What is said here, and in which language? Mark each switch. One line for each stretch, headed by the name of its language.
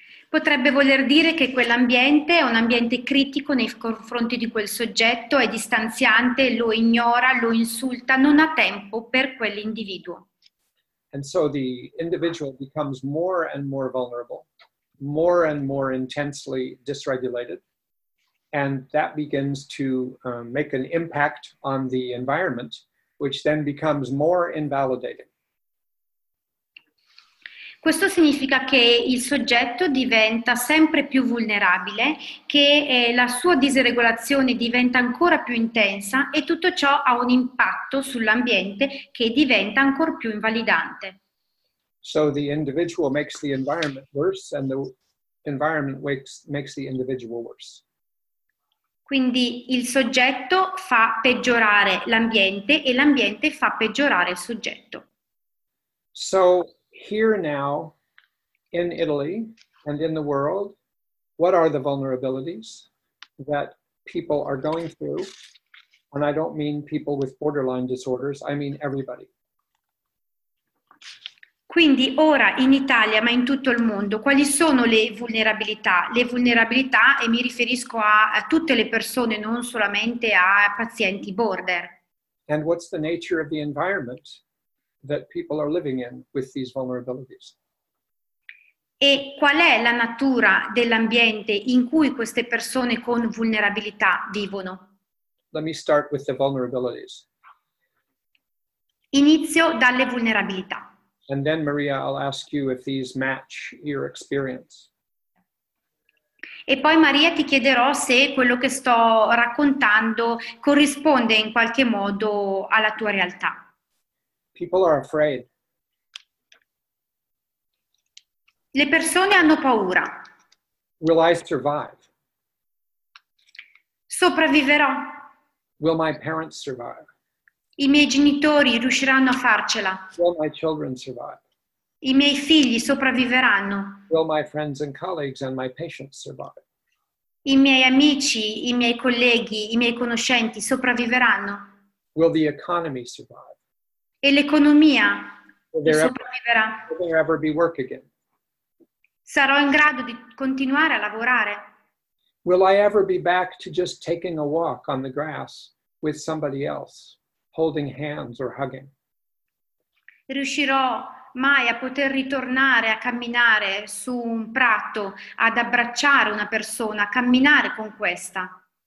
Italian: Potrebbe voler dire che quell'ambiente è un ambiente critico nei confronti di quel soggetto, è distanziante, lo ignora, lo insulta, non ha tempo per quell'individuo.
English: And so the individual becomes more and more vulnerable, more and more intensely dysregulated, and that begins to make an impact on the environment, which then becomes more invalidating.
Italian: Questo significa che il soggetto diventa sempre più vulnerabile, che la sua disregolazione diventa ancora più intensa, e tutto ciò ha un impatto sull'ambiente che diventa ancora più invalidante.
English: So the individual makes the environment worse, and the environment makes the individual worse.
Italian: Quindi il soggetto fa peggiorare l'ambiente e l'ambiente fa peggiorare il soggetto.
English: So here now, in Italy and in the world, what are the vulnerabilities that people are going through? And I don't mean people with borderline disorders, I mean everybody.
Italian: Quindi ora in Italia, ma in tutto il mondo, quali sono le vulnerabilità? Le vulnerabilità, e mi riferisco a tutte le persone, non solamente a pazienti border.
English: And what's the nature of the environment that people are living in with these vulnerabilities?
Italian: E qual è la natura dell'ambiente in cui queste persone con vulnerabilità vivono?
English: Let me start with the vulnerabilities.
Italian: Inizio dalle vulnerabilità.
English: And then, Maria, I'll ask you if these match your experience.
Italian: E poi, Maria, ti chiederò se quello che sto raccontando corrisponde in qualche modo alla tua realtà.
English: People are afraid.
Italian: Le persone hanno paura.
English: Will I survive?
Italian: Sopravviverò.
English: Will my parents survive?
Italian: I miei genitori riusciranno a farcela.
English: Will my children survive?
Italian: I miei figli sopravviveranno.
English: Will my friends and colleagues and my patients survive?
Italian: I miei amici, i miei colleghi, i miei conoscenti sopravviveranno.
English: Will the economy survive?
Italian: E l'economia sopravviverà.
English: Will there ever be work again?
Italian: Sarò in grado di continuare a lavorare?
English: Will I ever be back to just taking a walk on the grass with somebody else? Holding hands or hugging.
Italian: Riuscirò mai a poter ritornare a camminare su un prato, ad abbracciare una persona, a camminare con questa.